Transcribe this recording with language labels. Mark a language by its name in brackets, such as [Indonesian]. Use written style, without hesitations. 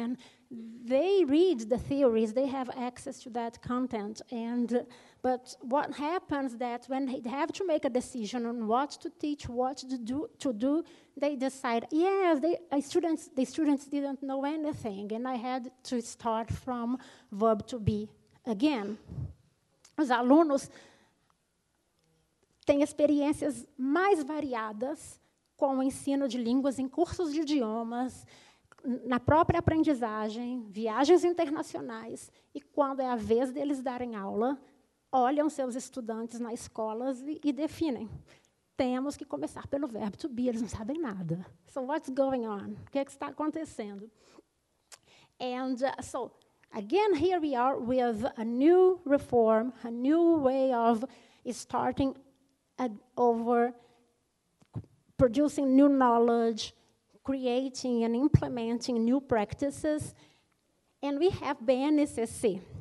[English] And they read the theories, they have access to that content. But what happens that when they have to make a decision on what to teach, what to do, they decide, yes, the students didn't know anything, and I had to start from verb to be again. [Portuguese] Os alunos têm experiências mais variadas com o ensino de línguas em cursos de idiomas, na própria aprendizagem, viagens internacionais, e quando é a vez deles darem aula, olham seus estudantes nas escolas e definem. Temos que começar pelo verbo to be, eles não sabem nada. [English] So what's going on? [Portuguese] O que, é que está acontecendo? [English] So again, here we are with a new reform, a new way of starting over, producing new knowledge, creating and implementing new practices, and we have BNCC.